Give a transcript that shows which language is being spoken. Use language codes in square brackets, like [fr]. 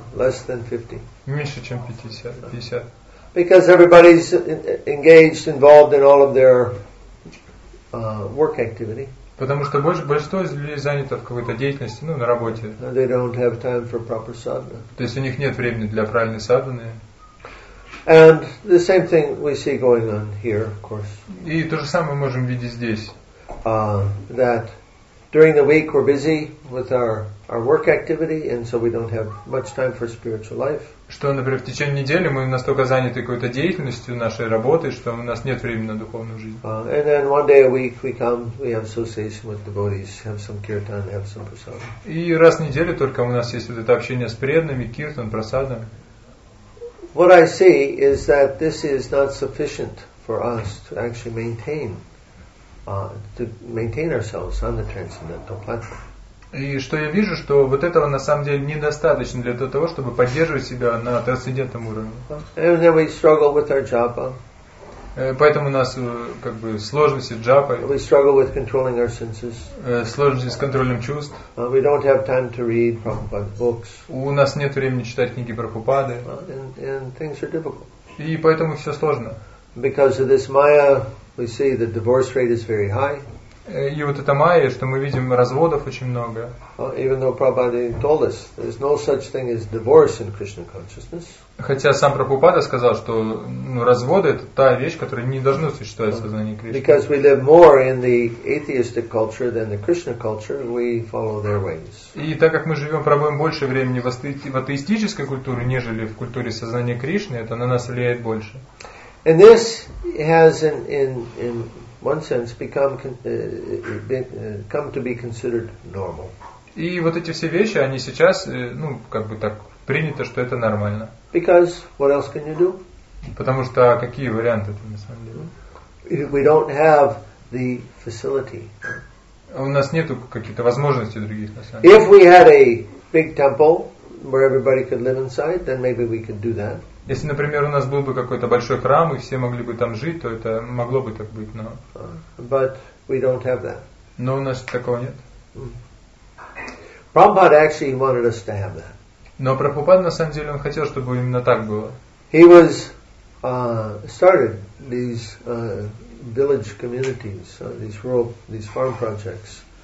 [en] Less than 50. [ru] Меньше, чем 50. [en] Because everybody's engaged, involved in all of their work activity. [ru] Потому что большинство из людей занято в какой-то деятельности, ну, на работе. [en] And they don't have time for proper sadhana. [ru] То есть у них нет времени для правильной садханы. [en] And the same thing we see going on here, of course. [ru] И то же самое можем видеть здесь. [en] That during the week we're busy with our work activity, and so we don't have much time for spiritual life. [ru] Что, например, в течение недели мы настолько заняты какой-то деятельностью нашей работы, что у нас нет времени на духовную жизнь. [en] And then one day a week we come, we have association with devotees, have some kirtan, have some prasadam. [ru] И раз в неделю только у нас есть вот это общение с преданными, киртан, прасадам. [en] What I see is that this is not sufficient for us to actually maintain ourselves on the transcendental platform. [ru] И что я вижу, что вот этого на самом деле недостаточно для того, чтобы поддерживать себя на трансцендентном уровне. [en] And then we struggle with our japa. [ru] Поэтому у нас как бы сложности с джапой. [en] We struggle with controlling our senses. [ru] Сложности с контролем чувств. [en] We don't have time to read Prabhupada's books. [ru] У нас нет времени читать книги Прабхупады. [en] And things are difficult. [ru] И поэтому все сложно. [en] Because of this maya, we see the divorce rate is very high. [ru] И вот это майя, что мы видим разводов очень много. [en] Even though Prabhupada told us there's no such thing as divorce in Krishna consciousness. [ru] Хотя сам Прабхупада сказал, что разводы это та вещь, которая не должна существовать в сознании Кришны. [en] Because we live more in the atheistic culture than the Krishna culture, we follow their ways. [ru] И так как мы живем, проводим больше времени в атеистической культуре, нежели в культуре сознания Кришны, это на нас влияет больше. [en] And this has in one sense come to be considered normal. [ru] И вот эти все вещи, они сейчас, ну, как бы так принято, что это нормально. [en] Because what else can you do? [ru] Потому что какие варианты на самом деле? [en] If we don't have the facility. [ru] У нас нету каких-то возможностей других на самом деле. [en] If we had a big temple where everybody could live inside, then maybe we could do that. [ru] Если, например, у нас был бы какой-то большой храм, и все могли бы там жить, то это могло бы так быть, но... [en] But we don't have that. [ru] Но у нас такого нет. [en] Prabhupada actually wanted us to have that. [ru] Но Прабхупада, на самом деле, он хотел, чтобы именно так было. [en] He was started these village communities, these rural, these farm projects.